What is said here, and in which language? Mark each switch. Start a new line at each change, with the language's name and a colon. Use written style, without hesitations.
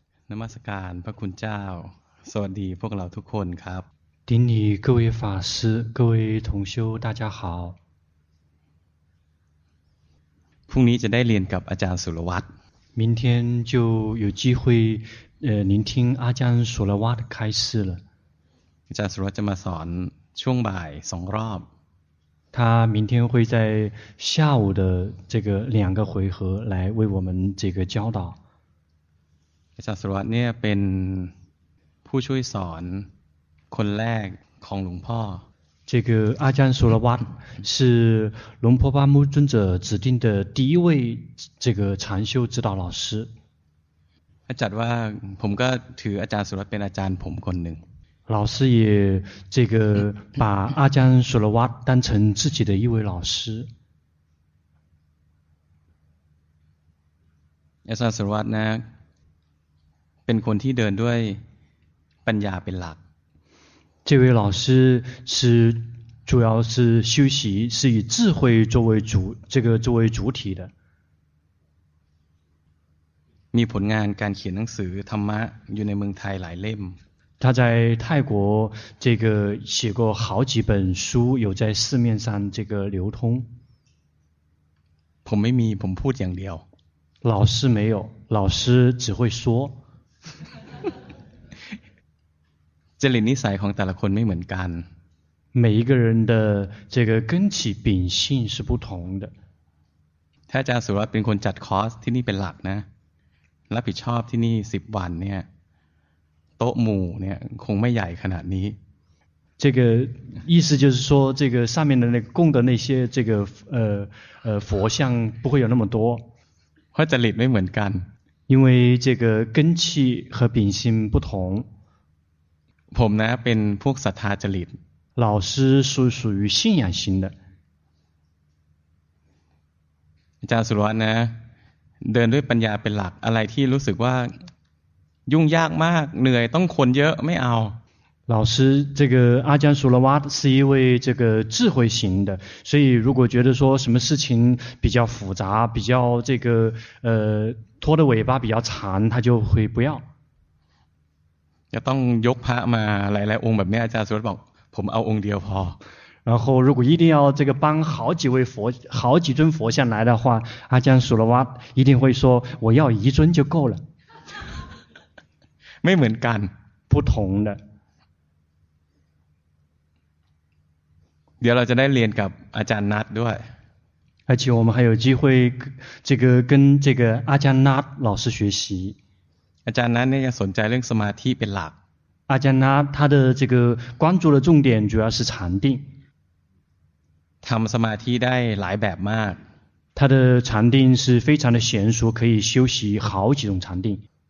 Thai: นมัสการพระคุณเจ้าสวัสดีพวกเราทุกคนครับ
Chinese: 顶礼各位法师各位同修大家好
Thai: พรุ่งนี้จะได้เรียนกับอาจารย์สุรวัตร
Chinese: 明天就有机会聆听阿江索拉瓦的开示了
Thai: อาจารย์สุรวัตรจะมาสอนช่วงบ่าย2รอบ
Chinese: 他明天会在下午的这个两个回合来为我们这个教导
Thai: อาจารย์สุรวัตรเนี่ยเป็นผู้ช่วยสอนคนแรกของหลวงพ่อ
Chinese: 这个阿江索拉瓦是龙婆巴木尊者指定的第一位这个禅修指导老师
Thai: อาจารย์ว่าผมก็ถืออาจารย์สุรวัตรเป็นอาจารย์ผมคนหนึ่ง
Chinese: 老师也这个把阿江索拉瓦当成自己的一位老师
Thai: อาจารย์สุรวัตรนะเป็นคนที่เดินด้วยปัญญาเป็นหลัก
Chinese: 这位老师是主要是修习是以智慧作为主这个作为主体的
Thai: มีผลงานการเขียนหนังสือธรรมะอยู่ในเมืองไทยหลายเล่ม
Chinese: 他在泰国这个写过好几本书有在市面上这个流通
Thai: ผมไม่มีผมพูดอย่างเดียว
Chinese: 老师没有老师只会说
Thai: จริตนิสัยของแต่ละคนไม่เหมือนกัน
Chinese: 每一个人的这个根基秉性是不同的
Thai: ถ้าอาจารย์สุรวัตรเป็นคนจัดคอร์สที่นี่เป็นหลักนะรับผิดชอบที่นี่10วันเนี่ยโต๊ะหมู่เนี่ยคงไม่ใหญ่ขนาดนี้
Chinese: 这个意思就是说这个上面的那供的那些这个佛像不会有那么多
Thai: เพราะจริตไม่เหมือนกัน
Chinese: 因为这个根气和秉性不同
Thai: ผมนะเป็นพวกศรัทธาจริต
Chinese: 老师是属于信仰型的
Thai: อาจารย์สุรวัตรนะเดินด้วยปัญญาเป็นหลักอะไรที่รู้สึกว่ายุ่งยากมากเหนื่อยต้องคนเยอะไม่เอา
Chinese: 老师这个阿江索拉瓦是一位这个智慧型的所以如果觉得说什么事情比较复杂比较这个拖的尾巴比较长他就会不要
Thai: จะต้องยกพระมาหลายๆองค์แบบนี้อาจารย์สุรวัตรบอกผมเอาองค์เดียวพอ
Chinese: 然后如果一定要这个帮好几位佛好几尊佛像来的话阿江索拉瓦一定会说我要一尊就够了
Thai: ไม่เหมือนกัน
Chinese: 不同的
Thai: เดี๋ยวเราจะได้เรียนกับอาจารย์นัทด้วย
Chinese: 而且我们还有机会这个跟这个阿江นัท老师学习
Thai: อาจารย์นัทเนี่ยสนใจเรื่องสมาธิเป็นหลัก
Chinese: 阿江นัท他的这个关注的重点主要是禅定
Thai: ทำสมาธิได้หลายแบบมาก
Chinese: 他的禅定是非常的娴熟可以修习好几种禅定